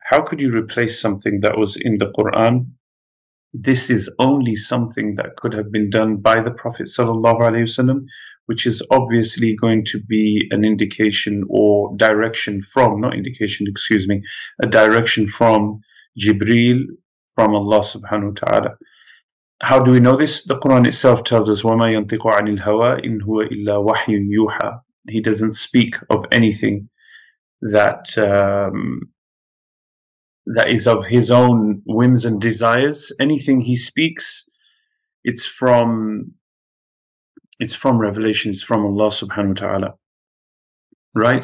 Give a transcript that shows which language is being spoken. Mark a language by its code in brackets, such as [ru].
[en] How could you replace something that was in the Quran? This is only something that could have been done by the Prophet sallallahu alaihi wasallam, which is obviously going to be an indication or direction from, not indication, excuse me, a direction from Jibreel, from Allah subhanahu wa ta'ala. How do we know this? The Quran itself tells us, [ar] وَمَا يَنْطِقُ عَنِ الْهَوَىٰ إِنْ هُوَ إِلَّا وَحْيٌ يُوحَىٰ. [en] He doesn't speak of anything that that is of his own whims and desires. Anything he speaks, it's from revelation, it's from Allah subhanahu wa ta'ala. Right?